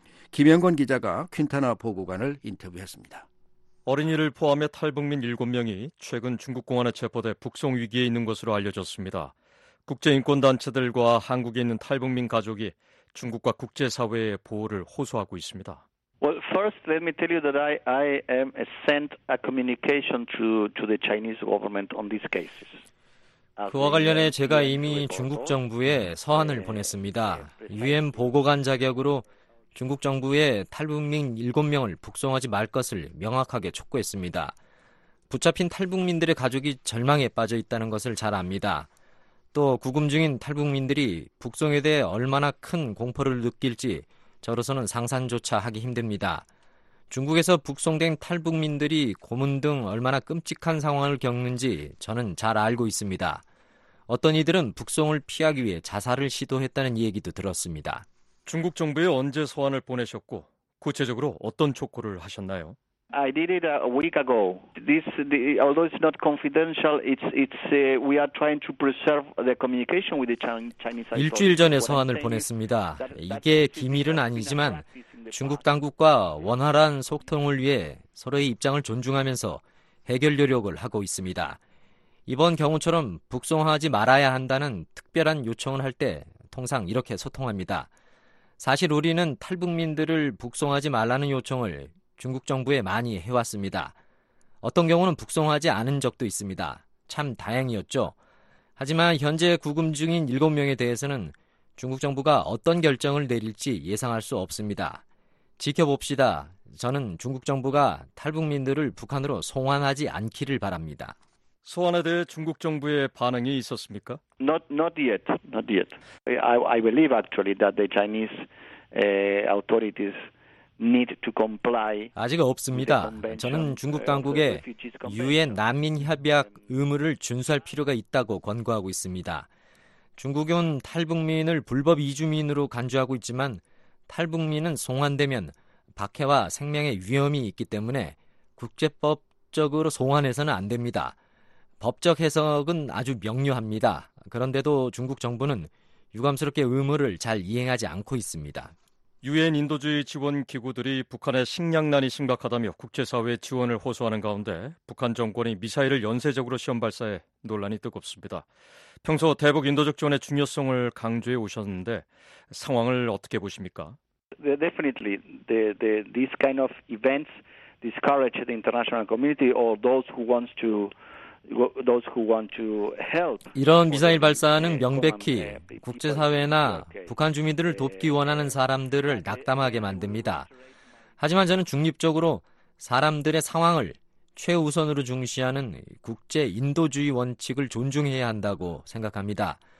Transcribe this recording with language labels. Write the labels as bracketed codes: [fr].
[ko] 김영건 기자가 퀸타나 보고관을 인터뷰했습니다. 어린이를 포함해 탈북민 7명이 최근 중국 공안에 체포돼 북송 위기에 있는 것으로 알려졌습니다. 국제인권단체들과 한국에 있는 탈북민 가족이 중국과 국제사회의 보호를 호소하고 있습니다. [en] Well, first, let me tell you that I am sent a communication to the Chinese government on these cases. [ko] 그와 관련해 제가 이미 중국 정부에 서한을 보냈습니다. 유엔 보고관 자격으로 중국 정부에 탈북민 7명을 북송하지 말 것을 명확하게 촉구했습니다. 붙잡힌 탈북민들의 가족이 절망에 빠져 있다는 것을 잘 압니다. 또 구금 중인 탈북민들이 북송에 대해 얼마나 큰 공포를 느낄지 저로서는 상상조차 하기 힘듭니다. 중국에서 북송된 탈북민들이 고문 등 얼마나 끔찍한 상황을 겪는지 저는 잘 알고 있습니다. 어떤 이들은 북송을 피하기 위해 자살을 시도했다는 얘기도 들었습니다. 중국 정부에 언제 서한을 보내셨고 구체적으로 어떤 촉구를 하셨나요? [en] I did it a week ago. Although it's not confidential, we are trying to preserve the communication with the Chinese. [ko] 일주일 전에 서한을 보냈습니다. 이게 기밀은 아니지만 중국 당국과 원활한 소통을 위해 서로의 입장을 존중하면서 해결 노력을 하고 있습니다. 이번 경우처럼 북송하지 말아야 한다는 특별한 요청을 할 때 통상 이렇게 소통합니다. 사실 우리는 탈북민들을 북송하지 말라는 요청을 중국 정부에 많이 해왔습니다. 어떤 경우는 북송하지 않은 적도 있습니다. 참 다행이었죠. 하지만 현재 구금 중인 7명에 대해서는 중국 정부가 어떤 결정을 내릴지 예상할 수 없습니다. 지켜봅시다. 저는 중국 정부가 탈북민들을 북한으로 송환하지 않기를 바랍니다. 소환에 대해 중국 정부의 반응이 있었습니까? [en] Not yet. I believe actually that the Chinese authorities need to comply. [ko] 아직 없습니다. 저는 중국 당국에 유엔 난민 협약 의무를 준수할 필요가 있다고 권고하고 있습니다. 중국은 탈북민을 불법 이주민으로 간주하고 있지만 탈북민은 송환되면 박해와 생명의 위험이 있기 때문에 국제법적으로 송환해서는 안 됩니다. 법적 해석은 아주 명료합니다. 그런데도 중국 정부는 유감스럽게 의무를 잘 이행하지 않고 있습니다. 유엔 인도주의 지원 기구들이 북한의 식량난이 심각하다며 국제사회의 지원을 호소하는 가운데 북한 정권이 미사일을 연쇄적으로 시험 발사해 논란이 뜨겁습니다. 평소 대북 인도적 지원의 중요성을 강조해 오셨는데 상황을 어떻게 보십니까? [en] Definitely this kind of events discourage the international community or those who want to help. [ko] 이런 미사일 발사는 명백히 국제사회나 북한 주민들을 돕기 원하는 사람들을 낙담하게 만듭니다. 하지만 저는 중립적으로 사람들의 상황을 최우선으로 중시하는 국제 인도주의 원칙을 존중해야 한다고 생각합니다.